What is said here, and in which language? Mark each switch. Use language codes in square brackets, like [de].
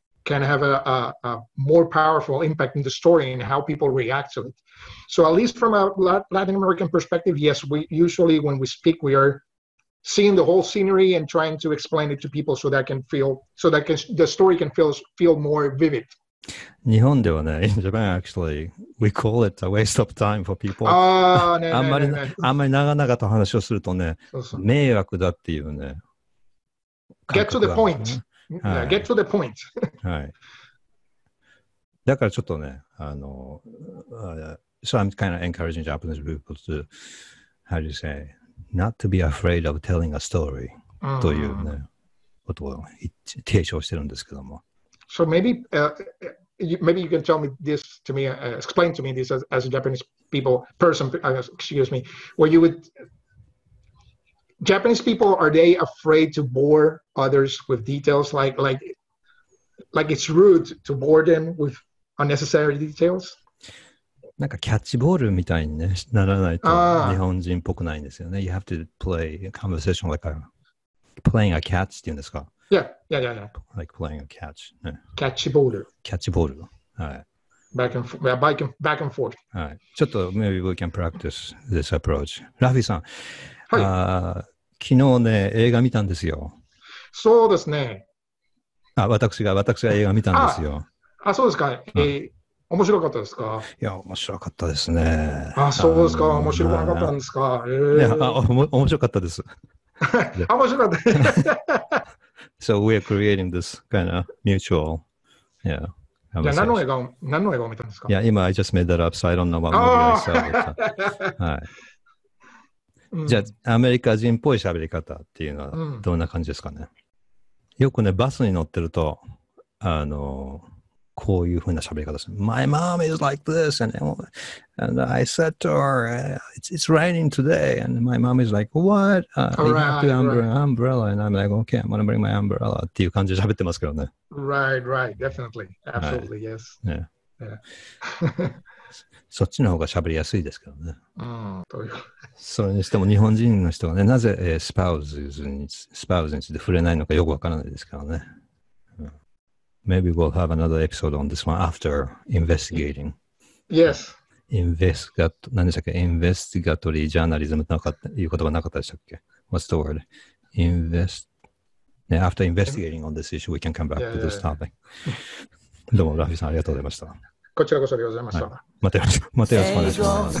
[en] Can have a more powerful impact in the story and how people react to it. So at least from a Latin American perspective, yes, we usually when we speak, we are seeing the whole scenery and trying to explain it to people so that can feel, so that can, the story can feel more vivid. [ja] 日本ではね、 [en] in Japan actually, we call it a waste of time for people. [ja] あんまり長々と話をするとね、そうそう迷惑だっていうね。 [en] Get to the point. Yeah, get to the point. [ja] はい。だからちょっとね、あの、 [en] so I'm kind of encouraging Japanese people to, how do you say, not to be afraid of telling a story、 [ja] というね、ことを提唱してるんですけども。 [en] So maybe you can tell me this to me,、explain to me this as a Japanese people, person, excuse me, where you would... Japanese people, are they afraid to bore others with details? Like it's rude to bore them with unnecessary details? [ja] なんかキャッチボールみたいに、ね、ならないと日本人っぽくないんですよね。 [en] You have to play a conversation like a, playing a catch [ja] っていうんですか? [en] Yeah. Like playing a catch.、ね、 [ja] キャッチボール。 はい。 [en] Back and forth. [ja] はい。ちょっと [en] maybe we can practice this approach. Rafi さん。 [ja] はい、昨日ね、映画見たんですよ。そうですね。あ、私が映画見たんですよ。あ、そうですか。面白かったですか。いや、面白かったですね。あ、そうですか。面白くなかったんですか。いや、面白かったです。面白かった。 [en] So we're creating this kind of mutual, yeah. [ja] 何の映画を見たんですか。いや、今 [en] I just made that up, so I don't know what movie I saw. [ja] はい。じゃあ、うん、アメリカ人っぽい喋り方っていうのはどんな感じですかね、うん、よくねバスに乗ってるとこういう風な喋り方です。 [en] My mom is like this and I said to her it's raining today and my mom is like what? I have the umbrella and I'm like okay I'm gonna bring my umbrella [ja] っていう感じで喋ってますけどね。 [en] Right definitely absolutely、はい、 yes yeah, yeah. [ja] そっちの方が喋りやすいですけどね。うん、というそれにしても日本人の人がね、なぜ、スパウズについて触れないのかよくわからないですからね。うん、 [en] Maybe we'll have another episode on this one after investigating. Yes. Investigatory journalism [ja] という言葉なかったでしたっけ [en] ?What's the word? After investigating on this issue, we can come back to this topic. [ja] どうも、ラフィさんありがとうございました。こちらこそでございました。またよろしくお願いします。